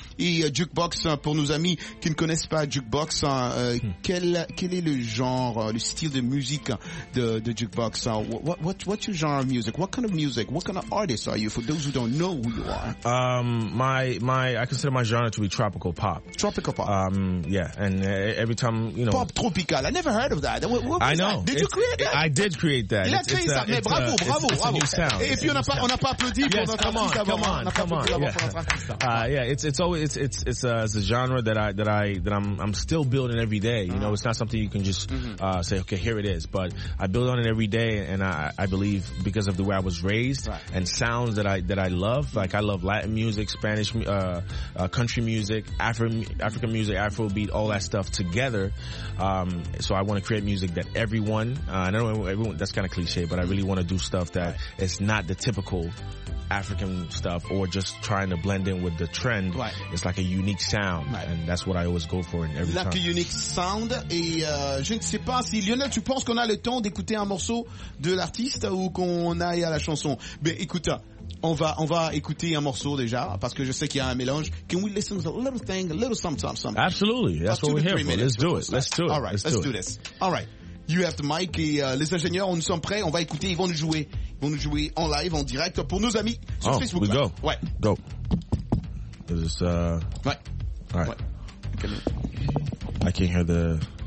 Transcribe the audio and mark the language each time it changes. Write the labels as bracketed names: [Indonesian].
[French] Et Jukebox, pour nos amis qui ne connaissent pas Jukebox, quel est le genre, le style de musique de Jukebox? [English] What's your genre of music? What kind of music? What kind of artist are you, for those who don't know who you are? I consider my genre to be tropical pop. Tropical pop. Yeah, and every time, you know. Pop tropical. I never heard of that. I know. That? Did you create that? I did create that. [French] Il a créé ça. Mais bravo, bravo, bravo. [English] It's a new sound. [French] Et puis on a pas applaudi pour notre artiste d'abord. [English] Come on, come on. Yeah, it's a genre that I'm still building every day. You know, it's not something you can just say, okay, here it is. But I build on it every day, and I believe because of the way I was raised and sounds that I love. Like, I love Latin music, Spanish music. Country music, African music, Afrobeat, all that stuff together. So I want to create music that everyone, I know everyone, that's kind of cliche, but I really want to do stuff that is not the typical African stuff, or just trying to blend in with the trend. Right. It's like a unique sound, right. And that's what I always go for in every like time. A unique sound. [French] Et je ne sais pas si Lionel, tu penses qu'on a le temps d'écouter un morceau de l'artiste ou qu'on aille à la chanson? Ben écoute, on va écouter un morceau déjà, parce que je sais qu'il y a un mélange. [English] Can we listen to a little thing, a little something? Absolutely, that's what we're here for. Let's do it. Let's do it. All right, let's do this. All right, you have the mic, [French] et les ingénieurs, nous sommes prêts. On va écouter. Ils vont nous jouer en live, en direct, pour nos amis sur Facebook. [English] We go. [French] Ouais. [English] Go. Is this All right. I can't hear the.